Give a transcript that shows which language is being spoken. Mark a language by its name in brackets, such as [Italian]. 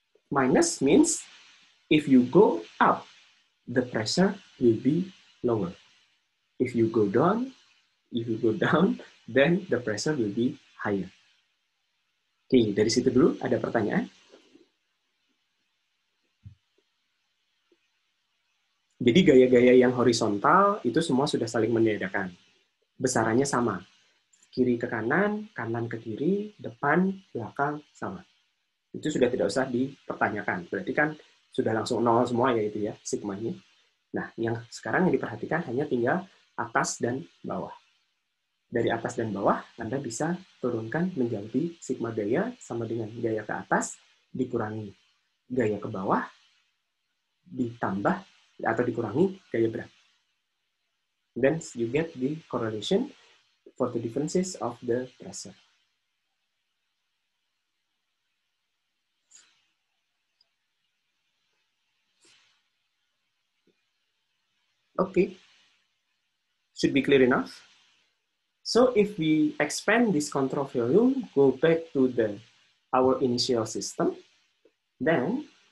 [English] Minus means if you go up, the pressure will be lower. If you go down, then the pressure will be higher. [Indonesian] Oke, okay, dari situ dulu ada pertanyaan. Jadi gaya-gaya yang horizontal itu semua sudah saling meniadakan. Besarannya sama. Kiri ke kanan ke kiri, depan, belakang, sama. Itu sudah tidak usah dipertanyakan. Berarti kan sudah langsung nol semua ya itu ya, sigmanya. Nah, yang sekarang yang diperhatikan hanya tinggal atas dan bawah. Dari atas dan bawah, Anda bisa turunkan menjadi sigma gaya sama dengan gaya ke atas dikurangi gaya ke bawah ditambah atau dikurangi gaya berat. [English] Then you get the correlation for the differences of the pressure. Okay, should be clear enough. So if we expand this control volume, go back to our initial system, then